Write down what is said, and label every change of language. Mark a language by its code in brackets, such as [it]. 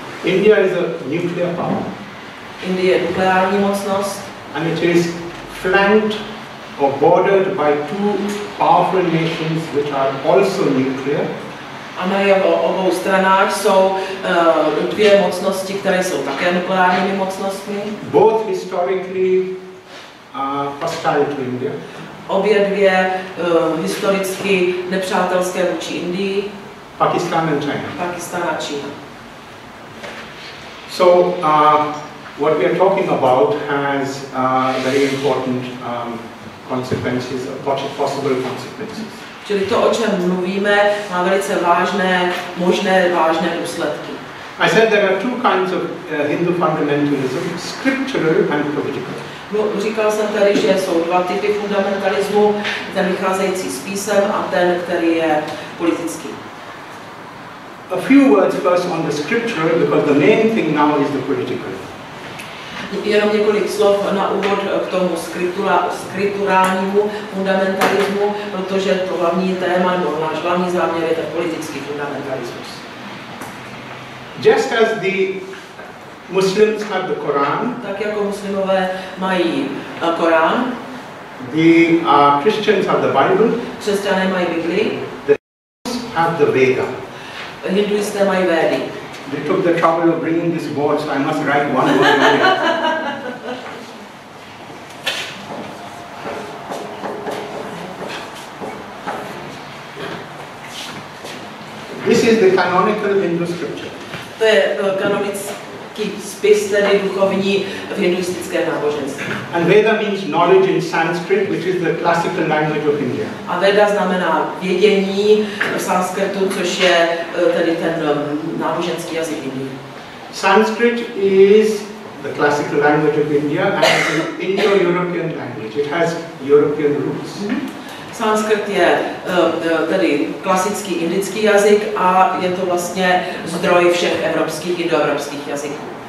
[en] India is a nuclear power. [cs] Indie je nukleární mocnost. [en] And it is flanked or bordered by two powerful nations which are also nuclear. [cs] A na jeho obou stranách jsou dvě mocnosti, které jsou také nukleárními mocnostmi. [en] Both historically hostile to India. [cs] Obě dvě historicky nepřátelské vůči Indii. [en] Pakistan and China. [cs] Pakistan a Čína. [en] So what we are talking about has very important consequences, possible consequences. [cs] Čili to, o čem mluvíme, má velice vážné, možné vážné důsledky. [en] I said there are two kinds of Hindu fundamentalism, scriptural and political. [cs] No, říkal jsem tady, že jsou dva typy fundamentalismu, ten vycházející z písem a ten, který je politický. [en] A few words first on the scriptural, because the main thing now is the political. [cs] Jenom několik slov na úvod k tomu skriturálnímu fundamentalismu, protože to hlavní téma, nebo náš hlavní záměr je ten politický fundamentalismus. [en] Just as the Muslims have the Quran, [cs] tak jako muslimové mají Korán, [en] the Christians have the Bible, [cs] křesťané mají Bibli, [en] the Hindus have the Veda, [cs] hinduisté mají Védy. [en] They took the trouble of bringing this board, so I must write one word on it. This is the canonical Hindu scripture. [cs] To je kanonický spis, tedy duchovní v hinduistické náboženství. [en] And Veda means knowledge in Sanskrit, which is the classical language of India. [cs] A Veda znamená vědění v sanskritu, což je tedy ten náboženský jazyk Indie. [en] Sanskrit is the classical language of India and is an Indo-European language. It has European roots. [cs] Sanskrit je tedy klasický indický jazyk a je to vlastně zdroj všech evropských i indoevropských jazyků.